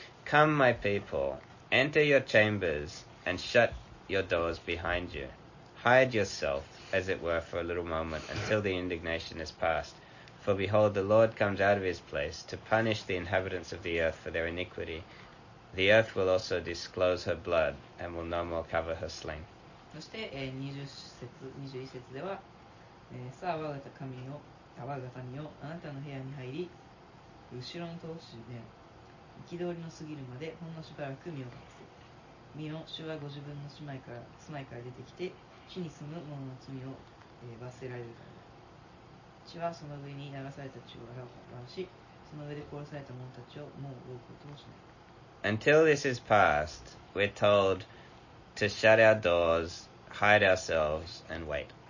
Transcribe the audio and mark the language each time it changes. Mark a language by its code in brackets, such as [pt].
[en] Come, my people, enter your chambers and shut your doors behind you. Hide yourself, as it were, for a little moment until the indignation is past. For behold, the Lord comes out of his place to punish the inhabitants of the earth for their iniquity. The earth will also disclose her blood and will no more cover her slain. [ja] そして21節では、さあ我が民よ、あなたの部屋に入り、後ろの戸を閉め、憤りの過ぎるまでほんのしばらく身を隠せ。身の主はご自分の住まいから出てきて、地に住む者の罪を、罰せられるからだ。地はその上に流された血を表し、その上で殺された者たちをもう追うことをしない。 [en] Until this is past, we're told to shut our doors, hide ourselves, and wait.